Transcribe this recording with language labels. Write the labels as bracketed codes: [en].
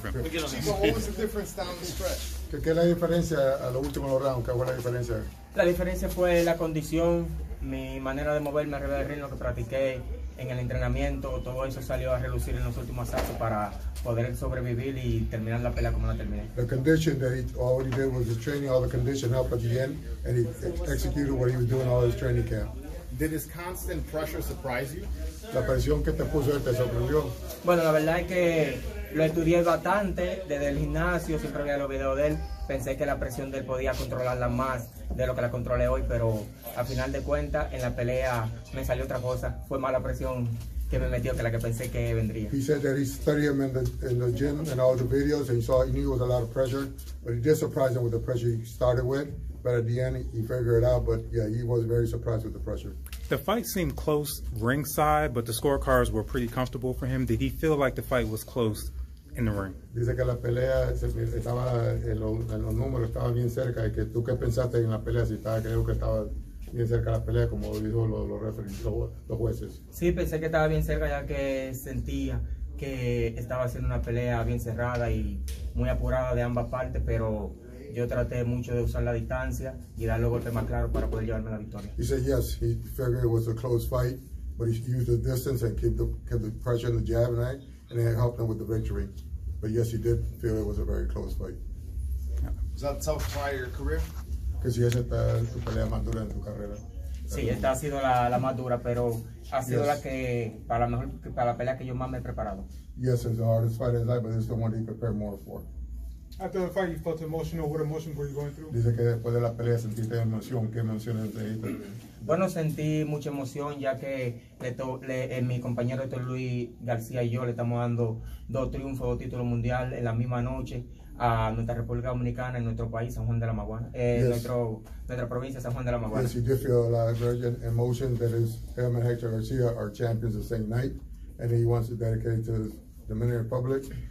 [es] ¿Qué es la diferencia a los últimos rounds? ¿Qué fue la diferencia? La diferencia fue la condición, mi manera de moverme alrededor del ring, lo que practiqué en el entrenamiento, todo eso salió a relucir en los últimos asaltos para poder sobrevivir y terminar la pelea como la terminé. [en] The condition that he already did was the training, all the condition up at the end, and he executed what he was doing all his training camp. Did his constant pressure surprise you? [es] La presión que te puso él te sorprendió. Bueno, la verdad es que lo estudié bastante desde el gimnasio, siempre veía los videos de él. Pensé que la presión de él podía controlarla más de lo que la controlé hoy, pero al final de cuentas, en la pelea me salió otra cosa. Fue más la presión que me metió que la que pensé que vendría. [en] He said that he studied him in the gym and all the videos, and he knew it was a lot of pressure, but he did surprise him with the pressure he started with. But at the end, he figured it out. But yeah, he was very surprised with the pressure. The fight seemed close ringside, but the scorecards were pretty comfortable for him. Did he feel like the fight was close in the ring? [es] Dice que la pelea estaba en los números, estaba bien cerca. Y que tú qué pensaste en la pelea, si estaba, creo que estaba bien cerca la pelea, como dijo los referees, los jueces. Sí, pensé que estaba bien cerca, ya que sentía que estaba haciendo una pelea bien cerrada y muy apurada de ambas partes, pero yo traté mucho de usar la distancia y dar los golpes más claros para poder llevarme la victoria. [en] He said yes, he figured it was a close fight, but he used the distance and kept the pressure in the jab and it helped him with the victory. But yes, he did feel it was a very close fight. Was that tough fight in your career? [es] Que si esa está tu pelea más dura en tu carrera. Sí, esta ha sido la más dura, pero ha sido la que para la pelea que yo más me he preparado. [en] Yes, it's the hardest fight in life, but it's the one he prepared more for. After the fight, you felt emotional. What emotion were you going through? [es] Dice que después de la pelea sentiste emoción. ¿Qué emociones sentiste? Bueno, sentí mucha emoción ya que mi compañero Héctor Luis García y yo le estamos dando dos triunfos, dos títulos mundiales en la misma noche a nuestra República Dominicana, en nuestro país, San Juan de la Maguana, nuestra provincia, San Juan de la Maguana. [en] Yes, you did feel a lot of urgent emotion that is him and Héctor García are champions the same night, and he wants to dedicate to the Dominican Republic.